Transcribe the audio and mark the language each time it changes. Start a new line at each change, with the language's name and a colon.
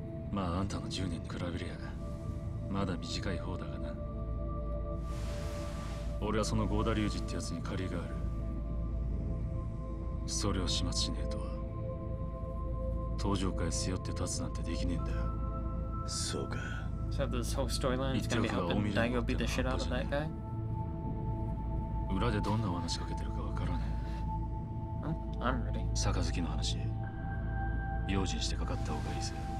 Japanese: まああんたの10年に比べりゃまだ短い方だがな。俺はその合田隆二ってやつに借りがある。それを始末しねえとは登場会背負って立つなんてできねえんだよ。そうか。
English: So this whole storyline is going to be helping Daigo beat the shit out of that guy?
Japanese: 裏でどんな話かけてるかわからねえ。
English: I'm ready.
Japanese: 杯の話、用心してかかった方がいいぜ。